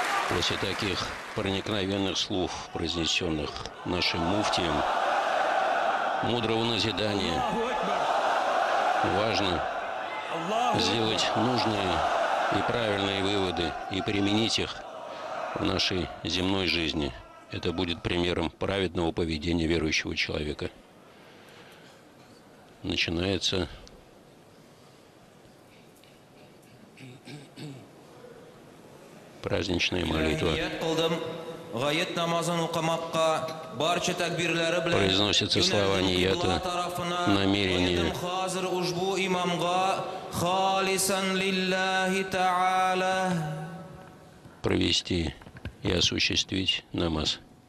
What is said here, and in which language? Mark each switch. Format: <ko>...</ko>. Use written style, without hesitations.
<ru>После таких проникновенных слов, произнесенных нашим муфтием, мудрого назидания, важно сделать нужные и правильные выводы и применить их в нашей земной жизни. Это будет примером праведного поведения верующего человека. Начинается праздничная молитва.</ru> <tt>Гайет намазын укымакка барча такбирлери белән</tt> <ru>произносится слова нияты, намерение.</ru> <tt>Хазир ушбу имамга халисан лиллахи тааля</tt> <ru>провести и осуществить намаз.</ru>